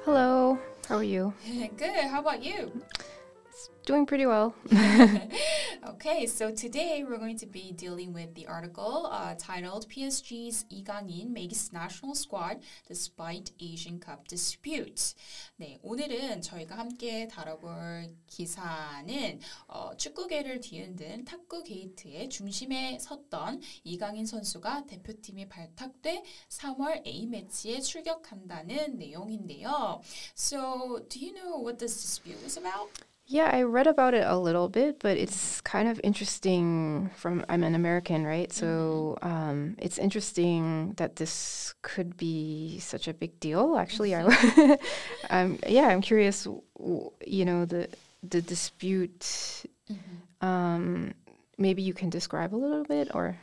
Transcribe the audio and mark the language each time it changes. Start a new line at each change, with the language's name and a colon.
English: Hello, how are you? Good, how about you? Doing pretty well. Okay, so today we're going to be dealing with the article titled PSG's Lee Kang-in makes national squad despite Asian Cup dispute.
Korean: 네, 오늘은 저희가 함께 다뤄볼 기사는 축구계를 뒤흔든 탁구 게이트의 중심에 섰던 이강인 선수가 대표팀이 발탁돼 3월 A매치에 출격한다는 내용인데요.
English: So, do you know what this dispute was about? Yeah, I read about it a little bit, but it's kind of interesting from, I'm an American, right? So it's interesting that this could be such a big deal, actually. I'm curious, you know, the dispute, maybe you can describe a little bit or,